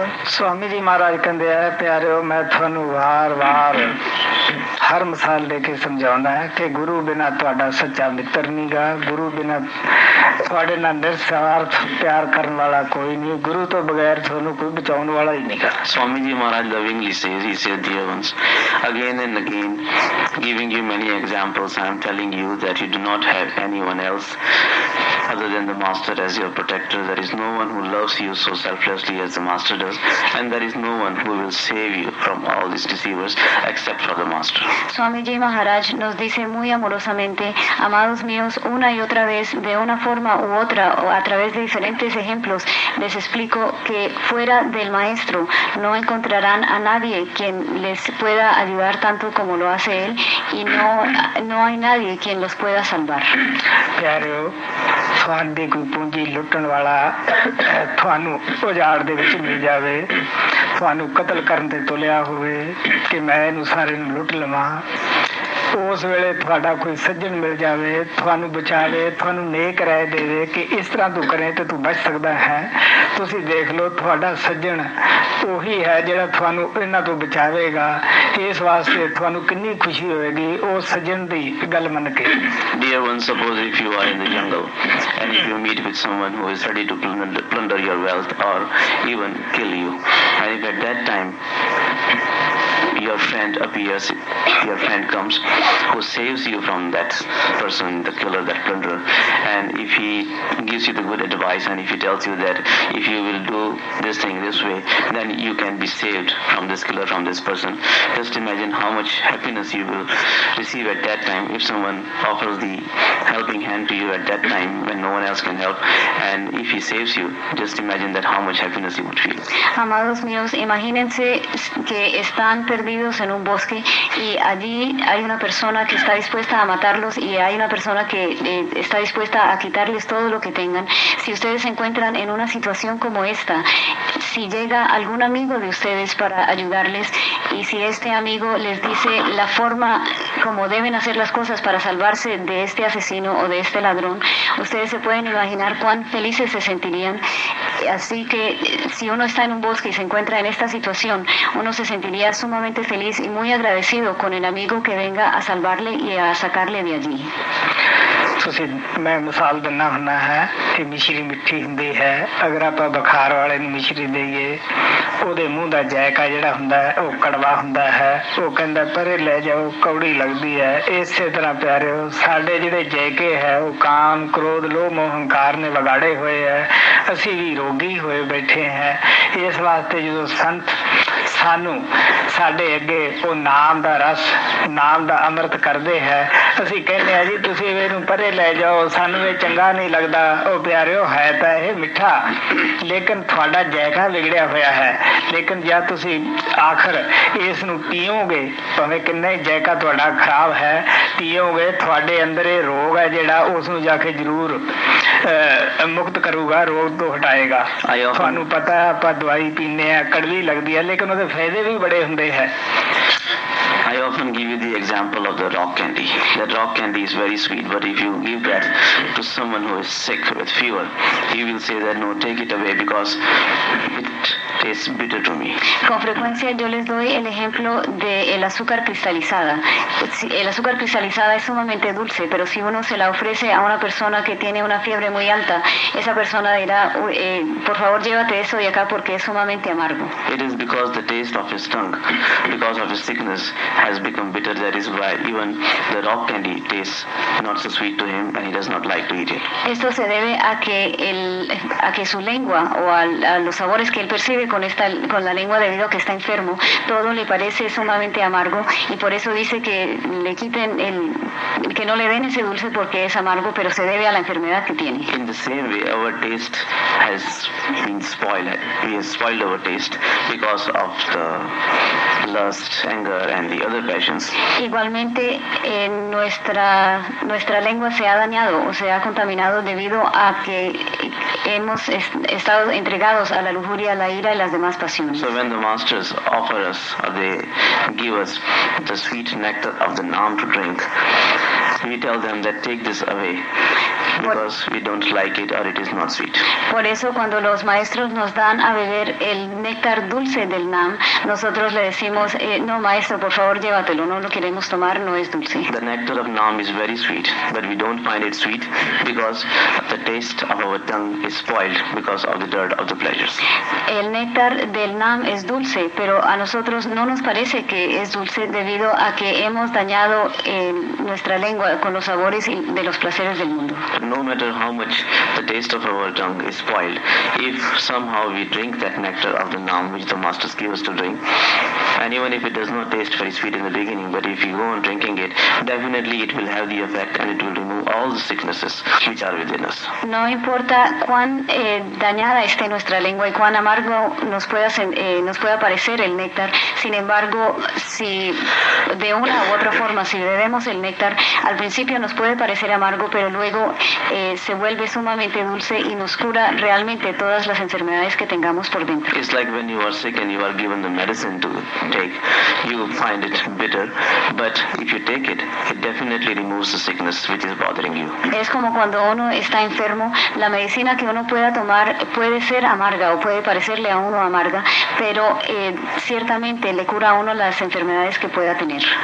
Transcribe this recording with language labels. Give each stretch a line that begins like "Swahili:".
Punjabi: ਸਵਾਮੀ ਜੀ ਮਹਾਰਾਜ ਕਹਿੰਦੇ ਆ ਪਿਆਰਿਓ ਮੈਂ ਤੁਹਾਨੂੰ ਵਾਰ ਵਾਰ ਹਰ ਮਿਸਾਲ ਦੇ ਕੇ ਸਮਝਾਉਂਦਾ ਹੈ ਕਿ ਗੁਰੂ ਬਿਨਾਂ ਤੁਹਾਡਾ ਸੱਚਾ ਮਿੱਤਰ ਨਹੀਂ ਗਾ ਗੁਰੂ ਬਿਨਾਂ ਤੁਹਾਡੇ ਨਾਲ ਨਿਰਸਵਾਰਥ ਪਿਆਰ ਕਰਨ ਵਾਲਾ ਕੋਈ ਨਹੀਂ ਗੁਰੂ ਤੋਂ ਬਗੈਰ ਤੁਹਾਨੂੰ ਕੋਈ ਬਚਾਉਣ ਵਾਲਾ ਹੀ ਨਹੀਂ ਗਾ
English: Swami ji Maharaj lovingly says he said dear once again and again giving you many examples I am telling you that you do not have anyone else other than the master as your protector. There is no one who loves you so selflessly as the master does, and there is no one who will save you from all these deceivers except for the master.
Spanish: Swamiji Maharaj nos dice muy amorosamente, amados míos, una y otra vez, de una forma u otra, o a través de diferentes ejemplos, les explico que fuera del maestro no encontrarán a nadie quien les pueda ayudar tanto como lo hace él, y no hay nadie quien los pueda salvar. Claro.
Punjabi: ਤੁਹਾਡੀ ਕੋਈ ਪੂੰਜੀ ਲੁੱਟਣ ਵਾਲਾ ਤੁਹਾਨੂੰ ਉਜਾੜ ਦੇ ਵਿੱਚ ਮਿਲ ਜਾਵੇ ਤੁਹਾਨੂੰ ਕਤਲ ਕਰਨ 'ਤੇ ਤੁਲਿਆ ਹੋਵੇ ਕਿ ਮੈਂ ਇਹਨੂੰ ਸਾਰੇ ਨੂੰ ਲੁੱਟ ਲਵਾਂ ਉਸ ਵੇਲੇ ਤੁਹਾਡਾ ਕੋਈ ਸੱਜਣ ਮਿਲ ਜਾਵੇ ਤੁਹਾਨੂੰ ਬਚਾਵੇ ਤੁਹਾਨੂੰ ਨੇਕ ਰਾਇ ਦੇਵੇ ਕਿ ਇਸ ਤਰ੍ਹਾਂ ਤੂੰ ਕਰੇ ਤਾਂ ਤੂੰ ਬਚ ਸਕਦਾ ਹੈ ਤੁਸੀਂ ਦੇਖ ਲਓ ਤੁਹਾਡਾ ਸੱਜਣ ਉਹੀ ਹੈ ਜਿਹੜਾ ਤੁਹਾਨੂੰ ਇਹਨਾਂ ਤੋਂ ਬਚਾਵੇਗਾ ਇਸ ਵਾਸਤੇ ਤੁਹਾਨੂੰ ਕਿੰਨੀ ਖੁਸ਼ੀ ਹੋਵੇਗੀ ਉਹ ਸੱਜਣ ਦੀ ਗੱਲ ਮੰਨ ਕੇ
English: Dear one, suppose if you are in the jungle and if you meet with someone who is ready to plunder your wealth or even kill you, and if at that time your friend appears, your friend comes who saves you from that person, the killer, that plunderer, and if he gives you the good advice and if he tells you that if you will do this thing this way, then you can be saved from this killer, from this person. Just imagine how much happiness you will receive at that time if someone offers the helping hand to you at that time when no one else can help, and if he saves you, just imagine that how much happiness you would feel.
Spanish: Amados míos, imagínense que están perdidos en un bosque y allí hay una persona que está dispuesta a matarlos y hay una persona que está dispuesta a quitarles todo lo que tengan. Si ustedes se encuentran en una situación como esta, si llega algún amigo de ustedes para ayudarles y si este amigo les dice la forma como deben hacer las cosas para salvarse de este asesino o de este ladrón, ustedes se pueden imaginar cuán felices se sentirían. Así que si uno está en un bosque y se encuentra en esta situación, uno se sentiría sumamente feliz y muy agradecido con el amigo que venga a salvarle y a sacarle de allí.
Punjabi: ਤੁਸੀਂ ਮੈਂ ਮਿਸਾਲ ਦਿੰਦਾ ਹੁੰਦਾ ਹੈ ਕਿ ਮਿਸ਼ਰੀ ਮਿੱਠੀ ਹੁੰਦੀ ਹੈ, ਅਗਰ ਆਪਾਂ ਬੁਖਾਰ ਵਾਲੇ ਨੂੰ ਮਿਸ਼ਰੀ ਦੇਈਏ ਉਹਦੇ ਮੂੰਹ ਦਾ ਜਾਇਕਾ ਜਿਹੜਾ ਹੁੰਦਾ ਹੈ ਉਹ ਕੜਵਾ ਹੁੰਦਾ ਹੈ, ਉਹ ਕਹਿੰਦਾ ਪਰੇ ਲੈ ਜਾਓ ਕੌੜੀ ਲੱਗਦੀ ਹੈ। ਇਸੇ ਤਰ੍ਹਾਂ ਪਿਆਰਿਓ ਸਾਡੇ ਜਿਹੜੇ ਜਾਇਕੇ ਹੈ ਉਹ ਕਾਮ ਕ੍ਰੋਧ ਲੋਭ ਮੋਹ ਹੰਕਾਰ ਨੇ ਵਿਗਾੜੇ ਹੋਏ ਹੈ, ਅਸੀਂ ਵੀ ਰੋਗੀ ਹੋਏ ਬੈਠੇ ਹੈ। ਇਸ ਵਾਸਤੇ ਜਦੋਂ ਸੰਤ ਸਾਨੂੰ ਸਾਡੇ ਅੱਗੇ ਉਹ ਨਾਮ ਦਾ ਰਸ ਨਾਮ ਦਾ ਅੰਮ੍ਰਿਤ ਕਰਦੇ ਹੈ ਅਸੀਂ ਕਹਿੰਦੇ ਹਾਂ ਜੀ ਤੁਸੀਂ ਇਹਨੂੰ ਪਰੇ ਲੈ ਜਾਓ ਸਾਨੂੰ ਇਹ ਚੰਗਾ ਨਹੀਂ ਲੱਗਦਾ। ਉਹ ਪਿਆਰਿਓ ਹੈ ਤਾਂ ਇਹ ਮਿੱਠਾ ਲੇਕਿਨ ਤੁਹਾਡਾ ਜਾਇਕਾ ਵਿਗੜਿਆ ਹੋਇਆ ਹੈ, ਲੇਕਿਨ ਜਦ ਤੁਸੀਂ ਆਖਰ ਇਸ ਨੂੰ ਪੀਓਗੇ ਭਾਵੇਂ ਕਿੰਨਾ ਹੀ ਜਾਇਕਾ ਤੁਹਾਡਾ ਖਰਾਬ ਹੈ ਪੀਓਗੇ ਤੁਹਾਡੇ ਅੰਦਰ ਇਹ ਰੋਗ ਹੈ ਜਿਹੜਾ ਉਸਨੂੰ ਜਾ ਕੇ ਜ਼ਰੂਰ ਮੁਕਤ ਕਰੂਗਾ, ਰੋਗ ਤੋਂ ਹਟਾਏਗਾ। ਤੁਹਾਨੂੰ ਪਤਾ ਆਪਾਂ ਦਵਾਈ ਪੀਂਦੇ ਹਾਂ ਕੜਵੀ ਲੱਗਦੀ ਹੈ ਲੇਕਿਨ ਉਹਦੇ ਫਾਇਦੇ ਵੀ ਬੜੇ ਹੁੰਦੇ ਹੈ।
English: I often give you the example of the rock candy. The rock candy is very sweet, but if you give that to someone who is sick with fever, he will say that no, take it away because it tastes bitter to me.
Spanish: Con frecuencia yo les doy el ejemplo de el azúcar cristalizada. El azúcar cristalizada es sumamente dulce, pero si uno se la ofrece a una persona que tiene una fiebre muy alta, esa persona dirá, por favor llévate eso de acá porque es sumamente amargo.
English: It is because the taste of his tongue, because of his sickness, has become bitter. That is why even the rock candy tastes not so sweet to him and he does not like to eat it.
Spanish: Esto se debe a que el a que su lengua o a los sabores que él percibe con esta con la lengua debido a que está enfermo, todo le parece sumamente amargo y por eso dice que le quiten el que no le den ese dulce porque es amargo, pero se debe a la enfermedad que tiene.
English: In the same way, our taste has been spoiled. We have spoiled our taste because of the lust, anger and the other passions.
Spanish: Igualmente nuestra lengua se ha dañado o se ha contaminado debido a que hemos estado entregados a la lujuria, la ira y las demás pasiones.
English: So when the masters offer us or they give us the sweet nectar of the Naam to drink, we tell them that take this away because we don't like it or it is not sweet.
Spanish: Por eso cuando los maestros nos dan a beber el néctar dulce del Naam, nosotros le decimos no maestro, por favor llévatelo, no lo queremos tomar, no es dulce.
English: The nectar of Naam is very sweet, but we don't find it sweet because the taste of our tongue is spoiled because of the dirt of the pleasures.
Spanish: El néctar del Naam es dulce, pero a nosotros no nos parece que es dulce debido a que hemos dañado nuestra lengua con los sabores de los placeres del mundo.
English: No matter how much the taste of our tongue is spoiled, if somehow we drink that nectar of the Naam which the masters give us to drink, and even if it does not taste very sweet in the beginning, but if you go on drinking it, definitely it will have the effect and it will remove all the sicknesses which are within us.
Spanish: No importa cuán dañada esté nuestra lengua y cuán amargo nos pueda parecer el néctar, sin embargo, si de una u otra forma, si bebemos el néctar, al principio nos puede parecer amargo, pero luego se vuelve sumamente dulce y nos cura realmente todas las enfermedades que tengamos por dentro.
English: It's like when you are sick and you are given the medicine to take, you find it bitter, but if you take it, it definitely removes the sickness which is bothering you.
Spanish: Es como cuando uno está enfermo, la medicina que uno pueda tomar puede ser amarga o puede parecerle a uno amarga, pero ciertamente le cura a uno las enfermedades que pueda tener.